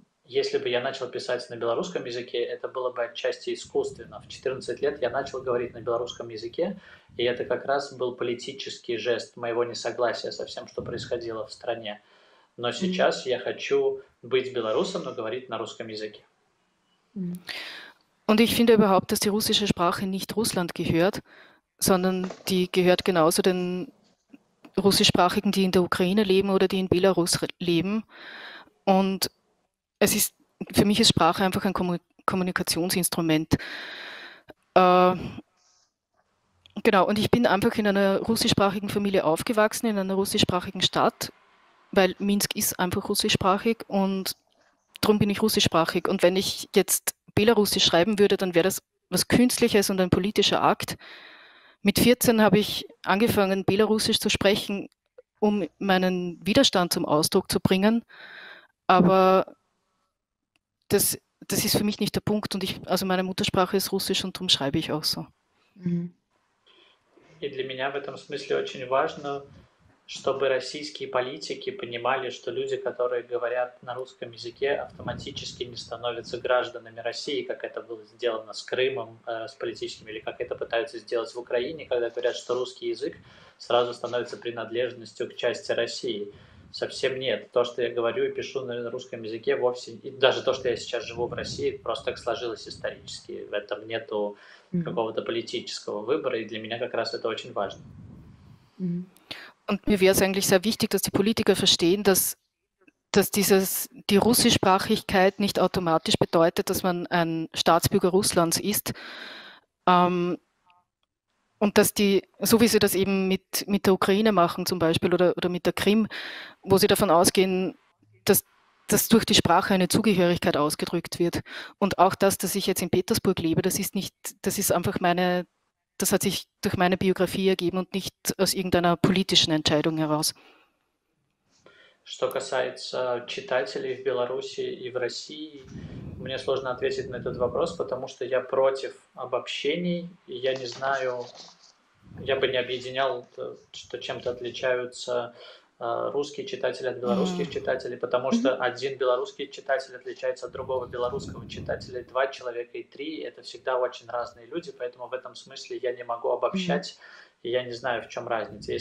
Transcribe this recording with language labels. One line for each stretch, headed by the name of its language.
Russian: Если бы я начал писать на белорусском языке, это было бы отчасти искусственно. В 14 лет я начал говорить на белорусском языке, и это как раз был политический жест моего несогласия со всем, что происходило в стране. Но сейчас я хочу быть белорусом, но говорить на русском языке.
German: Und ich finde überhaupt, dass die russische Sprache nicht Russland gehört, sondern die gehört genauso den russischsprachigen, die in der Ukraine leben oder die in Belarus leben. Und Es ist, für mich ist Sprache einfach ein Kommunikationsinstrument. Genau, und ich bin einfach in einer russischsprachigen Familie aufgewachsen, in einer russischsprachigen Stadt, weil Minsk ist einfach russischsprachig und darum bin ich russischsprachig. Und wenn ich jetzt Belarussisch schreiben würde, dann wäre das was Künstliches und ein politischer Akt. Mit 14 habe ich angefangen, Belarussisch zu sprechen, um meinen Widerstand zum Ausdruck zu bringen, aber Das ist für mich nicht der Punkt und ich, also meine Muttersprache ist Russisch und darum schreibe ich auch so.
Russian: И для меня в этом смысле очень важно, чтобы российские политики понимали, что люди, которые говорят на русском языке, автоматически не становятся гражданами России, как это было сделано с Крымом, с политическими, или как это пытаются сделать в Украине, когда говорят, что русский язык сразу становится принадлежностью к части России. Совсем нет. То, что я говорю и пишу на русском языке, вовсе, и даже то, что я сейчас живу в России, просто так сложилось исторически. В этом нету какого-то политического выбора, и для меня как раз это очень важно.
German: Und mir wäre es eigentlich sehr wichtig, dass die Politiker verstehen, dass, dass dieses, die Russischsprachigkeit nicht automatisch bedeutet, dass man ein Staatsbürger Russlands ist. Und dass die, so wie sie das eben mit der Ukraine machen zum Beispiel oder mit der Krim, wo sie davon ausgehen, dass, dass durch die Sprache eine Zugehörigkeit ausgedrückt wird. Und auch das, dass ich jetzt in Petersburg lebe, das ist nicht, das ist einfach meine. Das hat sich durch meine Biografie ergeben und nicht aus irgendeiner politischen Entscheidung heraus.
Russian: Что касается читателей в Беларуси и в России, мне сложно ответить на этот вопрос, потому что я против обобщений, и я не знаю, я бы не объединял, что чем-то отличаются русские читатели от белорусских читателей, потому что один белорусский читатель отличается от другого белорусского читателя, два человека и три, это всегда очень разные люди, поэтому в этом смысле я не могу обобщать, и я не знаю, в чем разница.